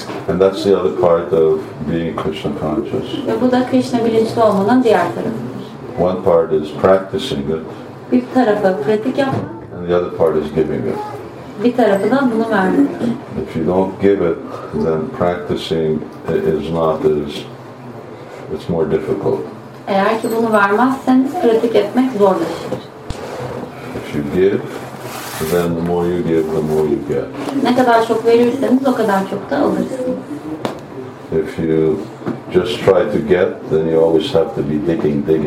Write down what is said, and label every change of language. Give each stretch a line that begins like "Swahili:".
English: And that's the other part of being Krishna conscious.
Turkish: Ve bu da Krishna bilinçli olmanın diğer tarafı.
English: One part is practicing it.
Turkish: Bir tarafı pratik yapmak.
English: And the other part is giving it.
Turkish: Bir tarafı da bunu vermek.
English: If you don't give it, then practicing is not as it's more difficult.
Turkish: Eğer ki bunu vermezseniz pratik etmek zorlaşır.
English: If you give, then the more you give, the more you get.
Turkish: Ne kadar çok verirseniz o kadar çok da alırsınız.
English: If you just try to get, then you always have to be digging.